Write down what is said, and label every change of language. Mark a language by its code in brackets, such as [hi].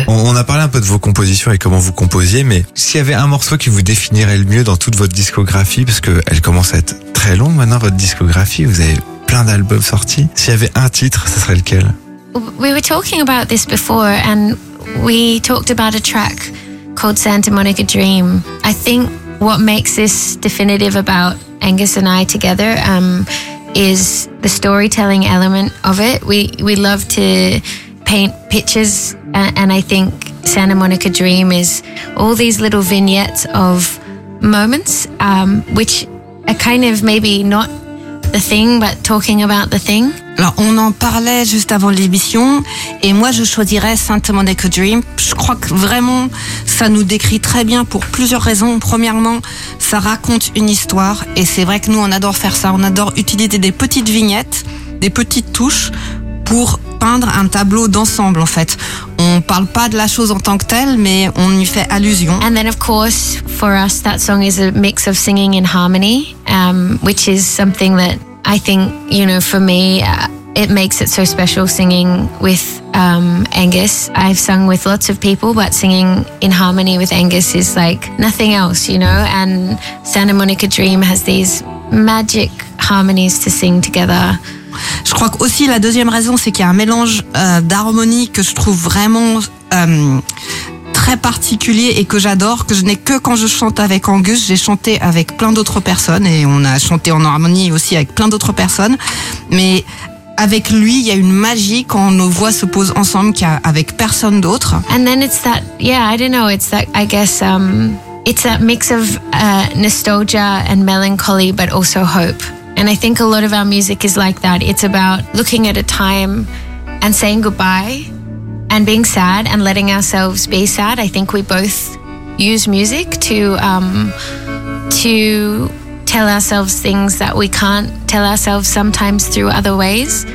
[fr] On a parlé un peu de vos compositions et comment vous composiez, mais s'il y avait un morceau qui vous définirait le mieux dans toute votre discographie, parce qu'elle commence à être très longue maintenant, votre discographie, vous avez plein d'albums sortis. S'il y avait un titre, ce serait lequel ? [en] We were talking about this before and we talked about a track called Santa Monica Dream. I think what makes this definitive about Angus and I together is the storytelling element of it. We love to paint pictures and I think Santa Monica Dream is all these little vignettes of moments which are kind of maybe not the thing but talking about the thing. [fr] Alors, on en parlait juste avant l'émission, et moi, je choisirais Santa Monica Dream. Je crois que vraiment, ça nous décrit très bien pour plusieurs raisons. Premièrement, ça raconte une histoire, et c'est vrai que nous, on adore faire ça. On adore utiliser des petites vignettes, des petites touches, pour peindre un tableau d'ensemble, en fait. On parle pas de la chose en tant que telle, mais on y fait allusion. [en] And then, of course, for us, that song is a mix of singing and harmony, which is something that I think, you know, for me, it makes it so special singing with Angus. I've sung with lots of people, but singing in harmony with Angus is like nothing else, you know? And Santa Monica Dream has these magic harmonies to sing together. [fr] Je crois qu'aussi la deuxième raison, c'est qu'il y a un mélange d'harmonie que je trouve vraiment très particulier et que j'adore, que je n'ai que quand je chante avec Angus. J'ai chanté avec plein d'autres personnes et on a chanté en harmonie aussi avec plein d'autres personnes. Mais avec lui, il y a une magie quand nos voix se posent ensemble qu'avec personne d'autre. [en] And then it's that, yeah, I don't know, it's that, I guess, it's that mix of nostalgia and melancholy, but also hope. And I think a lot of our music is like that. It's about looking at a time and saying goodbye. And being sad and letting ourselves be sad, I think we both use music to tell ourselves things that we can't tell ourselves sometimes through other ways.